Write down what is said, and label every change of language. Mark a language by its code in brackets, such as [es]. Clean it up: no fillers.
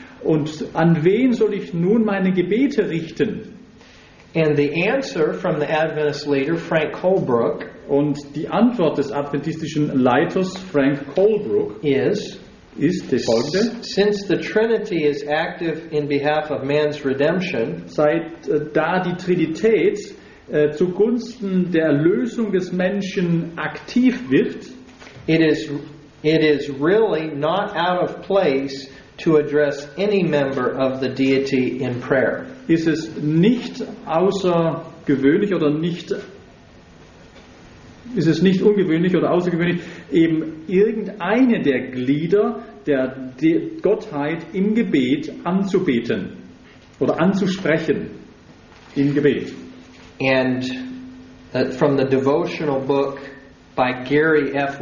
[de] Und an wen soll ich nun meine Gebete richten? [en] And the answer from the Adventist leader Frank Colebrook, [de] und die Antwort des adventistischen Leiters Frank Colebrook ist die folgende: [en] Since the Trinity is active in behalf of man's redemption, [de] seit da die Trinität zugunsten der Erlösung des Menschen aktiv wird, [en] it is really not out of place to address any member of the deity in prayer. [de] Ist es nicht außergewöhnlich oder nicht, ist es nicht ungewöhnlich oder außergewöhnlich, eben irgendeine der Glieder der Gottheit im Gebet anzubeten oder anzusprechen im Gebet? [en] And from the devotional book by Gary F.